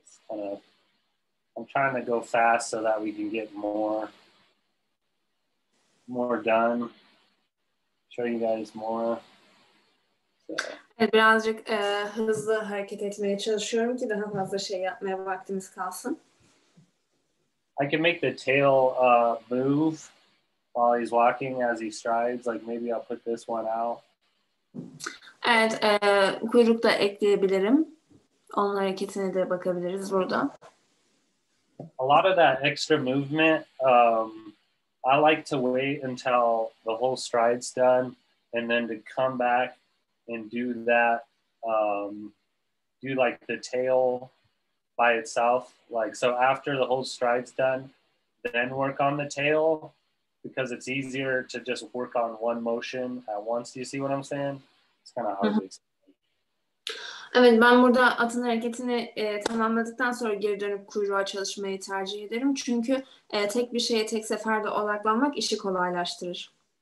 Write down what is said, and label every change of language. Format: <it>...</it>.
<en>I'm trying to go fast so that we can get more done. Show you guys more. So.</en> <tr>Birazcık hızlı hareket etmeye çalışıyorum ki daha fazla şey yapmaya vaktimiz kalsın.</tr> <en>I can make the tail move while he's walking as he strides. Like maybe I'll put this one out.</en> <tr>Evet, kuyruk da ekleyebilirim. Onun hareketine de bakabiliriz burada.</tr> <en>A lot of that extra movement, I like to wait until the whole stride's done and then to come back and do that, do like the tail by itself. Like, so after the whole stride's done, then work on the tail because it's easier to just work on one motion at once. Do you see what I'm saying? It's kind of hard to explain.</en> <tr>Evet, ben burada atın hareketini tamamladıktan sonra geri dönüp kuyruğa çalışmayı tercih ederim. Çünkü tek bir şeye tek seferde odaklanmak işi kolaylaştırır.</tr>